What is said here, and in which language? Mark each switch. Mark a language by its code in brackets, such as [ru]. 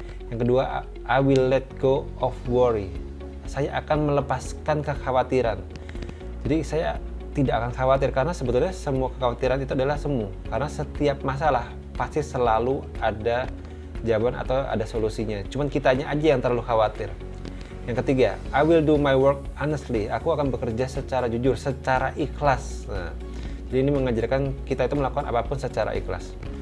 [id] Yang kedua, [en] I will let go of worry. [id] Saya akan melepaskan kekhawatiran. Jadi saya tidak akan khawatir, karena sebetulnya semua kekhawatiran itu adalah semu. Karena setiap masalah pasti selalu ada jawaban atau ada solusinya. Cuman kitanya aja yang terlalu khawatir. Yang ketiga, [en] I will do my work honestly. [id] Aku akan bekerja secara jujur, secara ikhlas. Nah, jadi ini mengajarkan kita itu melakukan apapun secara ikhlas.